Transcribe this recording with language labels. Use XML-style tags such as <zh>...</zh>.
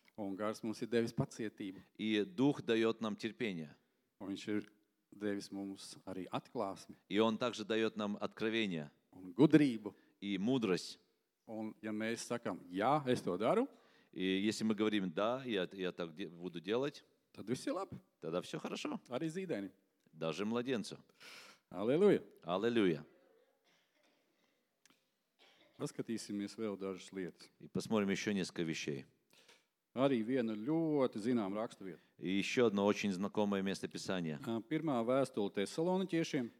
<lv>Un gars mums ir devis pacietību.</lv> <ru>И дух дает нам терпение.</ru> <lv>Un viņš ir devis mums arī atklāsmi.</lv> <ru>И он также дает нам откровение.</ru> <lv>Un gudrību.</lv> <ru>И мудрость.</ru> <lv>Un ja mēs sakam, ja, es to daru.</lv> <ru>И если мы говорим, да, я так буду делать.</ru> <lv>Tad viss ir labi.</lv> <ru>Тогда все хорошо.</ru> <lv>Arī zīdēni.</lv> <ru>Даже младенцу. Аллилуйя. Аллилуйя.</ru> <lv>Paskatīsimies vēl dažas lietas.</lv> <ru>И посмотрим еще несколько вещей.</ru> <lv>Arī viena ļoti zinām raksturvieta.</lv> <ru>И еще одно очень знакомое место писания.</ru> <lv>Pirmā vēstule Tesalonikiešiem.</lv>